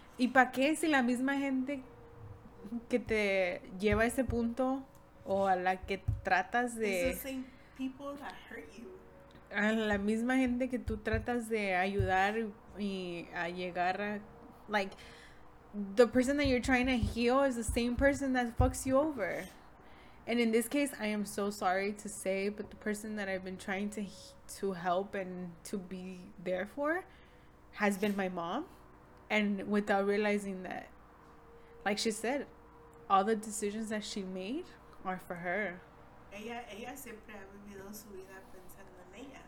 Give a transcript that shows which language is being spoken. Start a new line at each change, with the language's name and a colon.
Spanish: ¿Y pa qué si la misma gente que te lleva a ese punto o a la que tratas de...
English: It's the same people that hurt you.
Spanish: A la misma gente que tú tratas de ayudar y a llegar a...
English: Like, the person that you're trying to heal is the same person that fucks you over. And in this case, I am so sorry to say, but the person that I've been trying to help and to be there for has been my mom. And without realizing that, like she said, all the decisions that she made are for her.
Spanish: Ella siempre ha vivido su vida pensando en ella.